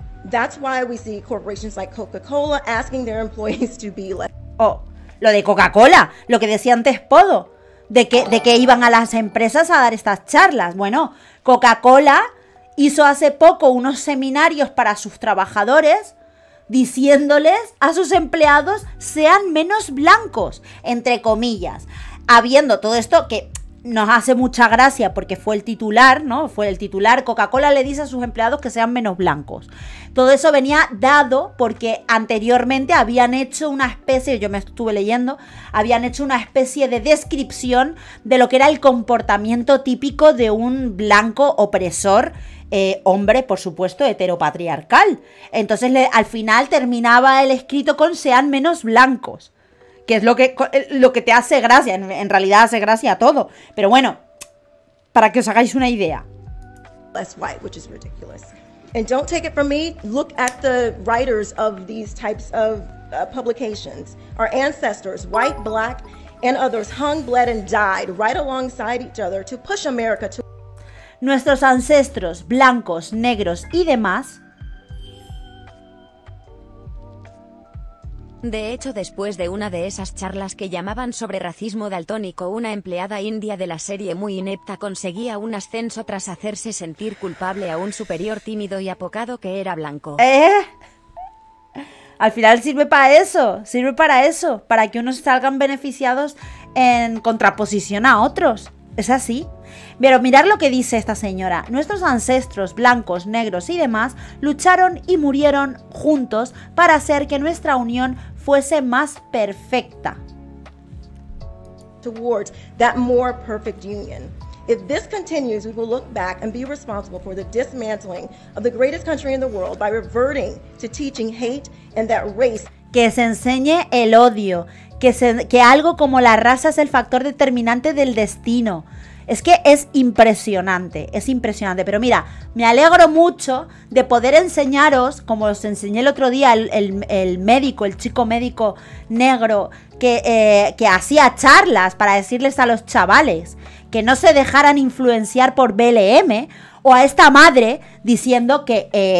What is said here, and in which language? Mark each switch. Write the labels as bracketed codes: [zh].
[en] That's why we see corporations like Coca-Cola asking their employees to be like. [es] Oh, lo de Coca-Cola, lo que decía antes Podo, de que iban a las empresas a dar estas charlas. Bueno, Coca-Cola hizo hace poco unos seminarios para sus trabajadores diciéndoles a sus empleados sean menos blancos, entre comillas. Habiendo todo esto que nos hace mucha gracia porque fue el titular, ¿no? Fue el titular. Coca-Cola le dice a sus empleados que sean menos blancos. Todo eso venía dado porque anteriormente habían hecho una especie, yo me estuve leyendo, habían hecho una especie de descripción de lo que era el comportamiento típico de un blanco opresor, hombre, por supuesto, heteropatriarcal. Entonces al final terminaba el escrito con sean menos blancos. Que es lo que te hace gracia, en realidad hace gracia a todo. Pero bueno, para que os hagáis una idea. [en] Less white, which is ridiculous. And don't take it from me, look at the writers of these types of publications. Our ancestors, white, black, and others, hung, bled, and died right alongside each other to push America to... [es] Nuestros ancestros, blancos, negros y demás... De hecho, después de una de esas charlas que llamaban sobre racismo daltónico, una empleada india de la serie muy inepta conseguía un ascenso tras hacerse sentir culpable a un superior tímido y apocado que era blanco. ¿Eh? Al final sirve para eso, sirve para eso, para que unos salgan beneficiados en contraposición a otros. ¿Es así? Pero mirad lo que dice esta señora. Nuestros ancestros, blancos, negros y demás, lucharon y murieron juntos para hacer que nuestra unión fuese más perfecta. [en] Towards that more perfect union. If this continues, we will look back and be responsible for the dismantling of the greatest country in the world by reverting to teaching hate and that race. [es] Que se enseñe el odio, que algo como la raza es el factor determinante del destino. Es que es impresionante, pero mira, me alegro mucho de poder enseñaros, como os enseñé el otro día, el médico, el chico médico negro que hacía charlas para decirles a los chavales que no se dejaran influenciar por BLM, o a esta madre diciendo que